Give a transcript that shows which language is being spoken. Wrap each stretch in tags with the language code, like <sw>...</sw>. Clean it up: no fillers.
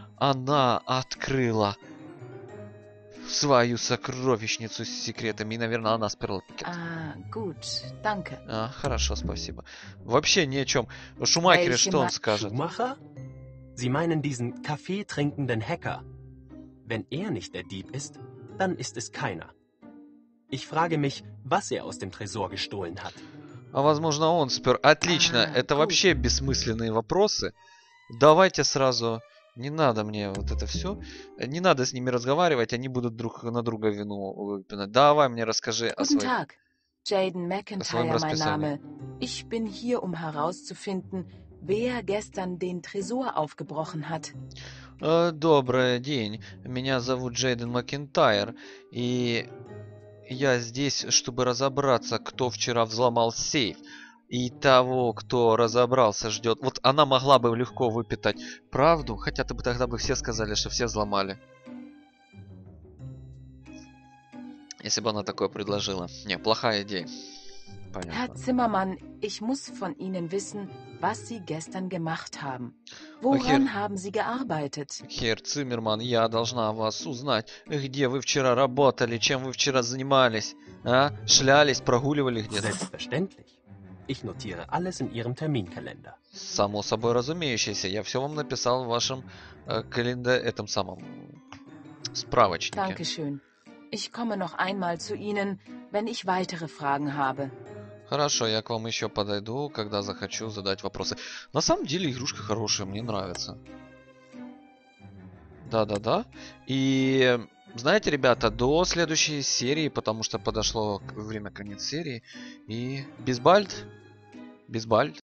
<ru>Она открыла свою сокровищницу с секретами. И, наверное, она сперла пакет.</ru> <de>А, gut, danke.</de> <ru>А, хорошо, спасибо. Вообще ни о чем. В Шумахере что он скажет?</ru> <de>Schumacher? Sie meinen diesen kaffeetrinkenden Hacker? Wenn nicht der Dieb ist, dann ist es keiner. Ich frage mich, was aus dem Tresor gestohlen hat.</de> <ru>А, возможно, он спер. Отлично, это вообще бессмысленные вопросы. Давайте сразу... Не надо мне вот это все. Не надо с ними разговаривать, они будут друг на друга вину выпинать. Давай мне расскажи о своем расписании.</ru> <de>Guten Tag, Jaden McIntyre, mein Name. Ich bin hier, um herauszufinden, wer gestern den Tresor aufgebrochen hat.</de> <ru>Добрый день. Меня зовут Джейден Макинтайр. И я здесь, чтобы разобраться, кто вчера взломал сейф. И того, кто разобрался, ждет. Вот она могла бы легко выпитать правду, хотя ты бы тогда бы все сказали, что все взломали. Если бы она такое предложила. Не, плохая идея. Понятно.</ru> <de>Herr Zimmermann, ich muss von Ihnen wissen, was Sie gestern gemacht haben. Woran haben Sie gearbeitet?</de> <ru>Herr Zimmermann, я должна вас узнать, где вы вчера работали, чем вы вчера занимались, а? Шлялись, прогуливали где-то?</ru> <de>Selbstverständlich. Ich notiere alles in Ihrem Terminkalender.</de> <ru>Само собой разумеющееся. Я все вам написал в вашем календаре, этом самом справочнике.</ru> <de>Dankeschön. Ich komme noch einmal zu Ihnen, wenn ich weitere Fragen habe.</de> <ru>Хорошо, я к вам еще подойду, когда захочу задать вопросы. На самом деле игрушка хорошая, мне нравится. Да-да-да. И знаете, ребята, до следующей серии, потому что подошло время конец серии. И Бисбальд.</ru>